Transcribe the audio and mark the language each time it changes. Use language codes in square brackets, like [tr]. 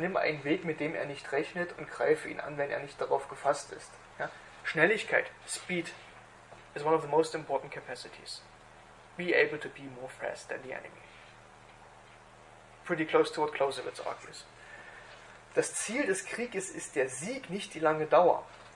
[de] Nimm einen Weg, mit dem er nicht rechnet, und greife ihn an, wenn er nicht darauf gefasst ist. Ja? [en] Schnelligkeit, speed, is one of the most important capacities. Be able to be more fast than the enemy. Pretty close to what Clausewitz argues. [de] Das Ziel des Krieges ist der Sieg, nicht die lange Dauer.